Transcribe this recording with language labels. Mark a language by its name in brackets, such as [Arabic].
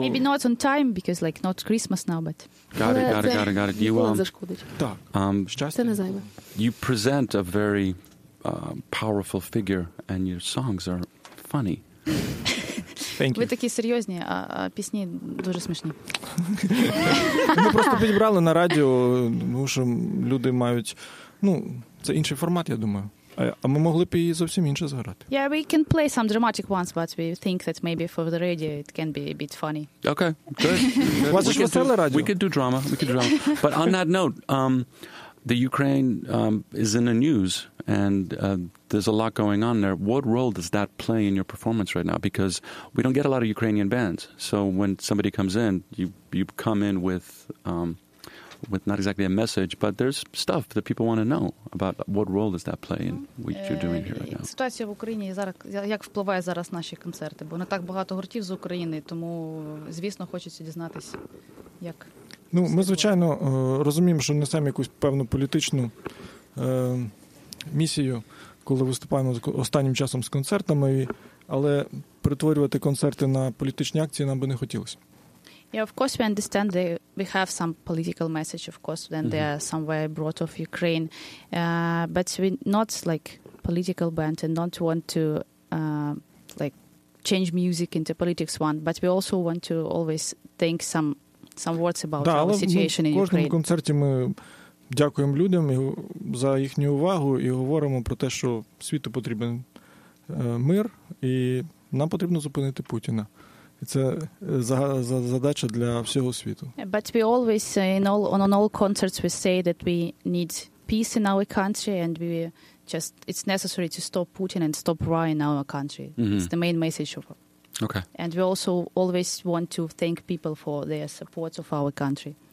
[English] Maybe not on time, because, like, not Christmas now, but... Got it. [Ukrainian] Це ніколи зашкодить. Так, щастя. Це не зайве. [English] You present a very powerful figure, and your songs are funny. Thank you. [Ukrainian] Ви такі серйозні, а пісні дуже смішні. Ми просто підібрали на радіо, тому що люди мають... Ну, це інший формат, я думаю. А ми могли б її зовсім інше зіграти. [English] Yeah, we can play some dramatic ones, but we think that maybe for the radio it can be a bit funny. Okay, good. [Ukrainian] У вас ж веселе радіо. [English] We could do drama, But on that note, the Ukraine is in the news, and there's a lot going on there. What role does that play in your performance right now? Because we don't get a lot of Ukrainian bands. So when somebody comes in, you come in with not exactly a message, but there's stuff that people want to know about. What role does that play in what you're doing here right now? [Ukrainian] Ситуація в Україні зараз, як впливає зараз наші концерти? Бо не так багато гуртів з України, тому, звісно, хочеться дізнатися, як... Ну, ми, звичайно, розуміємо, що несемо якусь певну політичну місію, коли виступаємо останнім часом з концертами, але перетворювати концерти на політичні акції нам би не хотілося. [English] Yeah, of course we understand that we have some political message, of course, then they are somewhere brought off Ukraine. But we're not like political band and don't want to like change music into politics one, but we also want to always think some words about our situation in Ukraine. [Ukrainian] Кожному концерті ми дякуємо людям за їхню увагу і говоримо про те, що світу потрібен мир і нам потрібно зупинити Путіна. Це задача для всього світу. [English] But we always on all concerts we say that we need peace in our country and we just it's necessary to stop Putin and stop war in our country. Mm-hmm. It's the main message of. Okay. And we also always want to thank people for their support of our country.